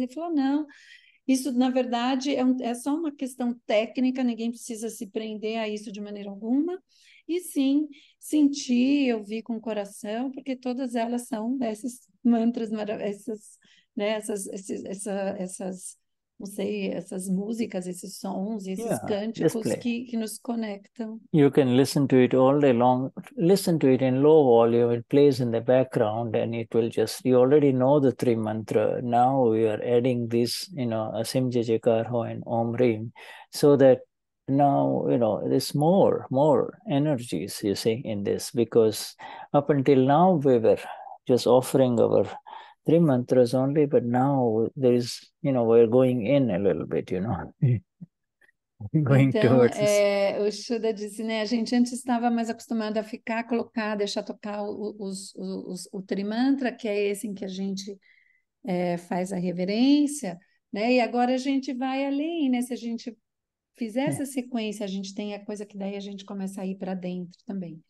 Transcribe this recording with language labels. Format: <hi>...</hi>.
<pt>Ele falou, não, isso na verdade é só uma questão técnica, ninguém precisa se prender a isso de maneira alguma, e sim, sentir, ouvir com o coração, porque todas elas são esses mantras maravilhosos, essas, né, essas não sei, essas músicas, esses sons, esses cânticos que nos conectam.</pt> <en>You can listen to it all day long. Listen to it in low volume. It plays in the background and it will just... You already know the three mantra. Now we are adding this, you know, Asim Jai Jai Karo and Om Rim, so that now, you know, there's more energies, you see, in this. Because up until now, we were just offering our... three mantras only, but now there is, you know, we're going in a little bit, you know. Going</en> <pt>então,</pt> <en>towards.</en> <pt>O Shuddha disse, né, a gente antes estava mais acostumado a ficar, colocar, deixar tocar o trimantra, que é esse em que a gente faz a reverência, né, e agora a gente vai além, né, se a gente fizer essa sequência, a gente tem a coisa que daí a gente começa a ir para dentro também.</pt>